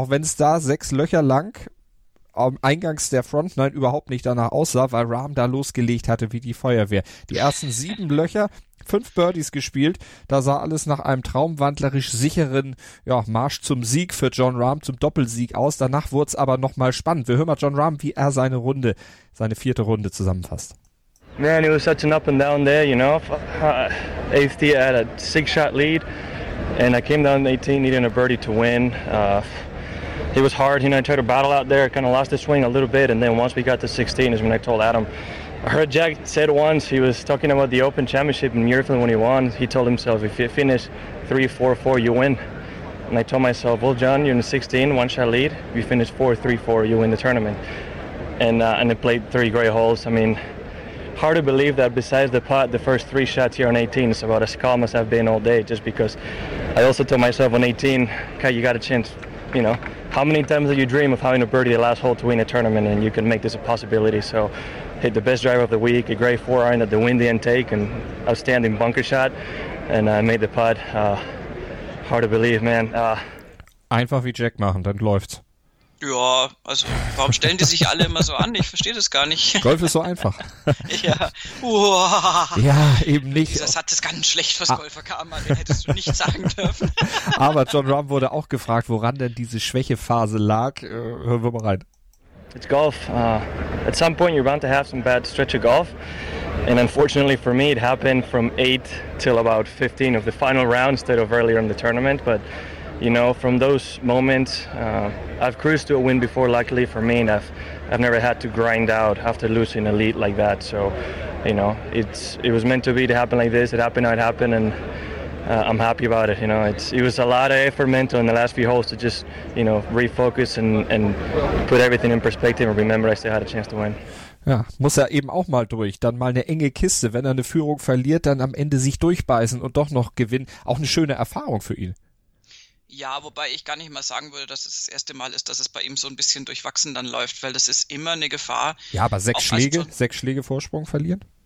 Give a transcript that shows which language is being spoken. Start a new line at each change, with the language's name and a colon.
German: Auch wenn es da 6 Löcher lang am Eingangs der Frontline überhaupt nicht danach aussah, weil Rahm da losgelegt hatte wie die Feuerwehr. Die ersten 7 Löcher, 5 Birdies gespielt. Da sah alles nach einem traumwandlerisch sicheren Marsch zum Sieg für John Rahm, zum Doppelsieg aus. Danach wurde es aber nochmal spannend. Wir hören mal John Rahm, wie er seine vierte Runde zusammenfasst.
English: Man, it was such an up and down day, you know. 8th tee, I had a 6-shot lead, and I came down 18 needing a birdie to win. It was hard, you know, I tried to battle out there, kind of lost the swing a little bit, and then once we got to 16 is when I told Adam. I heard Jack said once, he was talking about the Open Championship in Muirfield when he won, he told himself, if you finish 3-4-4, you win. And I told myself, well, John, you're in 16, 1-shot lead, if you finish 4-3-4, you win the tournament. and it played three great holes. I mean, hard to believe that besides the putt, the first three shots here on 18 is about as calm as I've been all day, just because I also told myself on 18, okay, you got a chance, you know. How many times do you dream of having a birdie the last hole to win a tournament and you can make this a possibility? So hit the best driver of the week, a great four iron at the wind didn't take, and outstanding bunker shot, and I made the putt. Hard to believe, man.
German: Einfach wie Jack machen, dann läuft's. Ja, also warum stellen die sich alle immer so an? Ich verstehe das gar nicht. Golf ist so einfach. Ja, ja, eben nicht. Das hat es ganz schlecht fürs Golferkarma, den hättest du nicht sagen dürfen. Aber John Rahm wurde auch gefragt, woran denn diese Schwächephase lag. Hören wir mal rein. It's golf. At some point you're bound to have some bad stretch of golf. And unfortunately for me it happened from 8 till about 15 of the final round instead of earlier in the tournament. But you know, from those moments, I've cruised to a win before, luckily for me, and I've never had to grind out after losing a lead like that. So, you know, it was meant to be to happen like this. It happened how it happened, and I'm happy about it. You know, it was a lot of effort mental in the last few holes to just, you know, refocus and put everything in perspective and remember I still had a chance to win. Ja, muss er eben auch mal durch, dann mal eine enge Kiste. Wenn er eine Führung verliert, dann am Ende sich durchbeißen und doch noch gewinnen. Auch eine schöne Erfahrung für ihn. Ja, wobei ich gar nicht mal sagen würde, dass es das erste Mal ist, dass es bei ihm so ein bisschen durchwachsen dann läuft, weil das ist immer eine Gefahr. Ja, aber sechs Schläge Vorsprung verlieren?